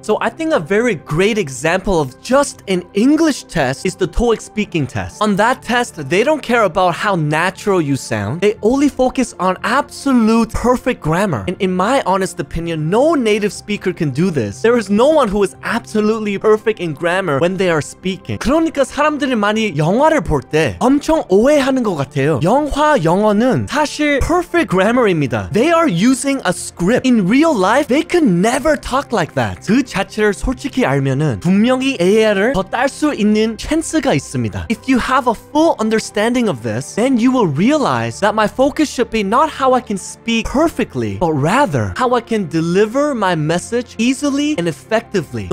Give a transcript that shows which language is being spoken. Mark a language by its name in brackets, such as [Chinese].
[English] So I think a very great example of just an English test is the TOEIC speaking test. On that test, they don't care about how natural you sound. They only focus on absolute perfect grammar. And in my honest opinion, no native speaker can do this. There is no one who is absolutely perfect in grammar when they are speaking. [Korean] 그러니까 사람들이 많이 영화를 볼 때 엄청 오해하는 것 같아요. 영화, 영어는 사실 perfect grammar입니다. [English] They are using a script. In real life, they could never talk like that. [Korean] 그 자체를 솔직히 알면은 분명히 AL을 더 딸 수 있는 chance가 있습니다. [English] If you have a full understanding of this, then you will realize that my focus should be not how I can speak perfectly, but rather how I can deliver my message easily and effectively.